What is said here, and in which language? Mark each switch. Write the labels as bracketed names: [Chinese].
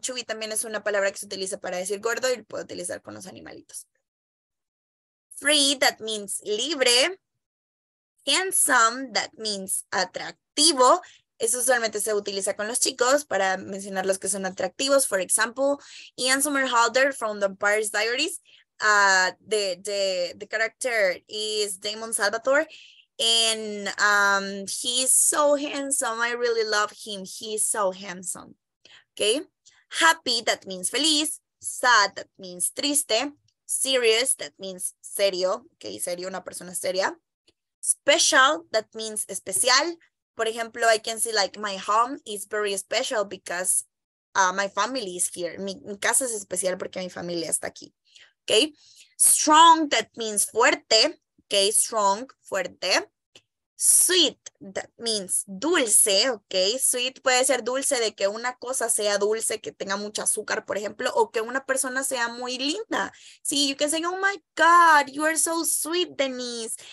[Spanish] Chubby también es una palabra que se utiliza para decir gordo y lo puede utilizar con los animalitos. [English] Free, that means libre. Handsome, that means atractivo. [Spanish] Eso usualmente se utiliza con los chicos para mencionar los que son atractivos. [English] For example, Ian Somerhalder from The Vampire's Diaries. The character is Damon Salvatore. And he's so handsome. I really love him. He's so handsome. Okay. Happy, that means feliz. Sad, that means triste. Serious, that means serio. Okay, serio, [Spanish] una persona seria. [English] Special, that means especial. For example, I can say like my home is very special because my family is here. [Spanish] Mi casa es especial porque mi familia está aquí. [English] Okay. Strong, that means fuerte. Okay, strong, fuerte. Sweet, that means dulce, okay. [Spanish] Sweet puede ser dulce, de que una cosa sea dulce, que tenga mucho azúcar, por ejemplo, o que una persona sea muy linda. [English] Sí, you can say, oh my God, you are so sweet, Denise.